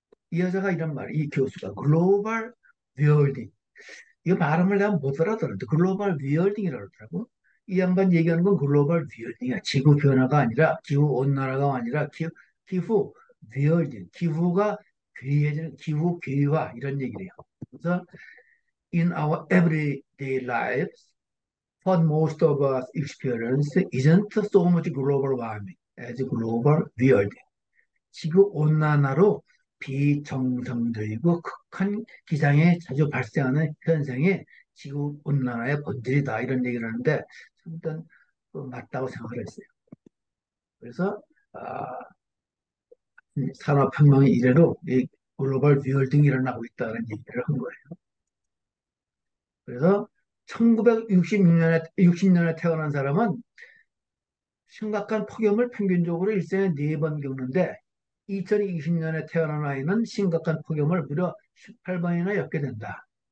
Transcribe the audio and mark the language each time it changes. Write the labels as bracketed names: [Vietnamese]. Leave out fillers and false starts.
[Korean] 이 여자가 이런 말, 이 교수가 글로벌 웰딩. 이거 발음을 내가 못 알아들었는데 글로벌 웰딩이라고 그러더라고. 이 양반 얘기하는 건 글로벌 웰딩이야. 지구 변화가 아니라 기후 온난화가 아니라 기후 웰딩. 기후가 귀해지는 기후 귀화 이런 얘기래요. 그래서 [English] in our everyday lives, what most of us experience isn't so much global warming as global wealth. [Korean] 지구 온난화로 비정상적이고 극한 기상에 자주 발생하는 현상이 지구 온난화의 본질이다 이런 얘기를 하는데 일단 맞다고 생각을 했어요. 그래서 산업혁명이 이래로 이 글로벌 웰딩이 일어나고 있다는 얘기를 한 거예요. 그래서 1960년에 태어난 사람은 심각한 폭염을 평균적으로 일생에 4번 겪는데, 2020년에 태어난 아이는 심각한 폭염을 무려 18번이나 겪게 된다.